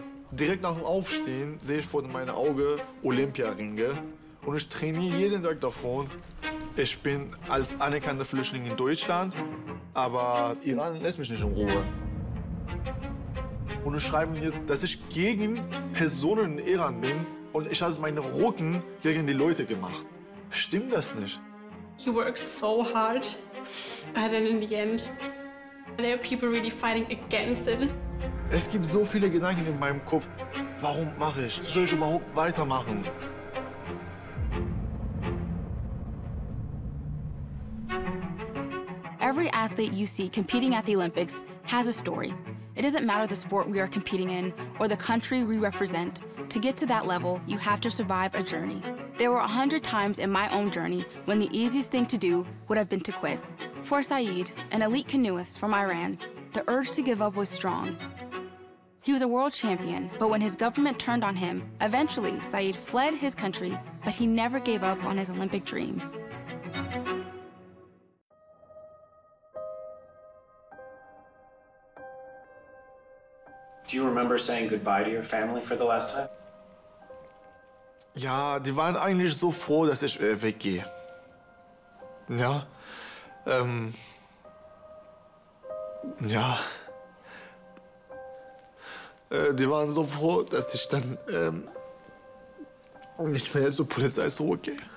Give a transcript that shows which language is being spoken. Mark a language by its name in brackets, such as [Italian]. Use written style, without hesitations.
[German] direkt nach dem Aufstehen sehe ich vor meinem Auge Olympiaringe und ich trainiere jeden Tag davon. Ich bin als anerkannter Flüchtling in Deutschland, aber Iran lässt mich nicht in Ruhe. Und ich schreibe jetzt, dass ich gegen Personen in Iran bin und ich habe meinen Rücken gegen die Leute gemacht. Stimmt das nicht? [English] He works so hard, but then in the end, there are people really fighting against it. [German] Es gibt so viele Gedanken in meinem Kopf. Warum mache ich? Soll ich überhaupt weitermachen? [English] Every athlete you see competing at the Olympics has a story. It doesn't matter the sport we are competing in or the country we represent. To get to that level, you have to survive a journey. There were 100 times in my own journey when the easiest thing to do would have been to quit. For Saeed, an elite canoeist from Iran, the urge to give up was strong. He was a world champion, but when his government turned on him, eventually Saeed fled his country, but he never gave up on his Olympic dream. Do you remember saying goodbye to your family for the last time? [German] Ja, die waren eigentlich so froh, dass ich weggehe. Ja. Ja. Die waren so froh, dass ich dann nicht mehr zur Polizei zurückgehe.